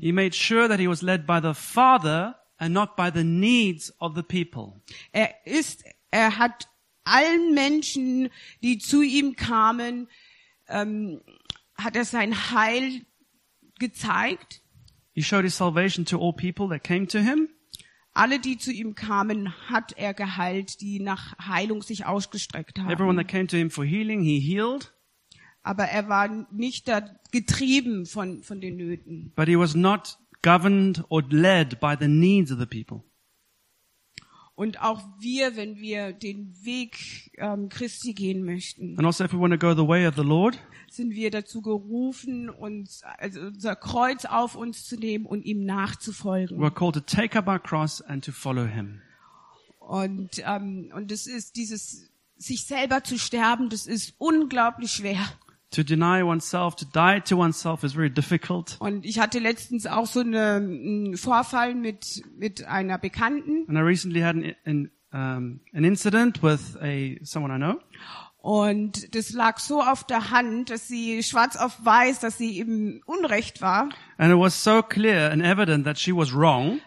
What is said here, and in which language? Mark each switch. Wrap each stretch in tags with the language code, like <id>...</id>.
<en>He made sure that he was led by the Father and not by the needs of the people.</en> <de>Er hat allen Menschen, die zu ihm kamen, hat er sein Heil gezeigt.</de> <en>He showed his salvation to all people that came to him.</en> <de>Alle, die zu ihm kamen, hat er geheilt, die nach Heilung sich ausgestreckt haben.</de> <en>Everyone that came to him for healing, he healed.</en> <de>Aber er war nicht da getrieben von den Nöten.</de> <en>But he was not governed or led by the needs of the people.</en> <de>Und auch wir, wenn wir den Weg Christi gehen möchten,</de> <en>and also if we want to go the way of the Lord,</en> <de>sind wir dazu gerufen, unser Kreuz auf uns zu nehmen und ihm nachzufolgen.</de> <en>We're called to take up our cross and to follow him.</en> <de>Und es ist dieses, sich selber zu sterben, das ist unglaublich schwer.</de> <en>To deny oneself, to die to oneself is very difficult.</en> <de>Und ich hatte letztens auch so einen Vorfall mit einer Bekannten.</de> <en>And I recently had an incident with someone I know.</en> <de>Und das lag so auf der Hand, dass sie schwarz auf weiß, dass sie im Unrecht war.</de> <en>And it was so clear and evident that she was wrong.</en>